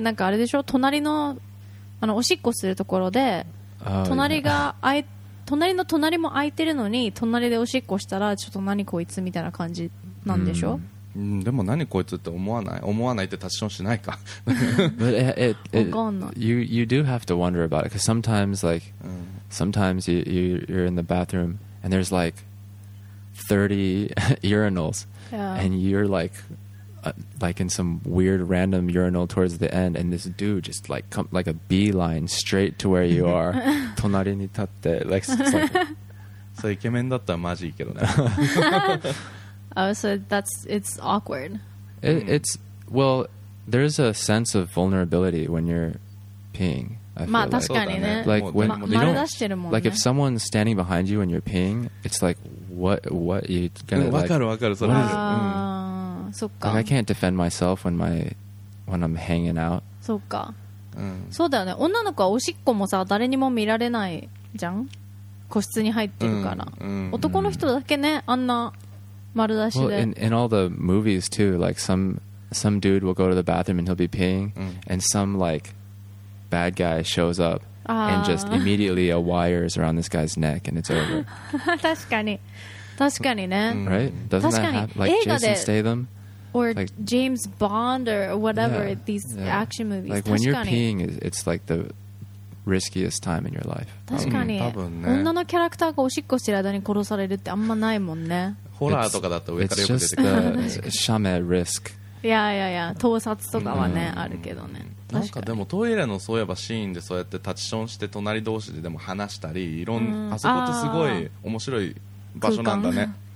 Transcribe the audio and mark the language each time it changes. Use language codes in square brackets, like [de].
[ja] なんかあれでしょ、隣の、おしっこするところで。隣も空いてるのに隣でおしっこしたらちょっと何こいつみたいな感じなんでしょ。でも何こいつって思わない、思わないって立ちションしないか。 [en] But it you do have to wonder about it, because sometimes like sometimes you're in the bathroom and there's like 30 urinals, yeah. And you're like in some weird random urinal towards the end, and this dude just like come like a beeline straight to where you are. [ja] 隣に立って like so イケメンだったらマジいいけどね。 [en] Oh, so that's it's awkward. It's well, there's a sense of vulnerability when you're peeing. [ja] まあ確かにね。 [en] Like when you don't, [ja] 丸出してるもんね。 [en] Like if someone's standing behind you and you're peeing, it's like what you gonna like. [ja] わかるわかる、それ。そっか。 [en] Like I can't defend myself when I'm hanging out. [ja] そっか。うん。そうだよね。女の子はおしっこもさ、誰にも見られないじゃん。個室に入ってるから。うん。男の人だけね、あんな丸出しで。 [en] Well, in all the movies too, like some dude will go to the bathroom and he'll be peeing, and some like bad guy shows up. And just immediately a wire is around this guy's neck and it's over. [ja] 確かに。確かにね。 [en] Right? Doesn't that happen? Like Jason Statham? Or like, James Bond or whatever, yeah, these yeah. action movies. Like when you're peeing, it's like the riskiest time in your life. [ja] 確かに。多分ね。女のキャラクターがおしっこしてる間に殺されるってあんまないもんね。ホラーとかだと上からよく出てくる。 [en] It's just the shame risk. Yeah, yeah, yeah. [ja] 盗撮とかはね、あるけどね。なんかでもトイレのそういえばシーンでそうやってタッチションして隣同士ででも話したり、いろんあそこってすごい面白い場所なんだね。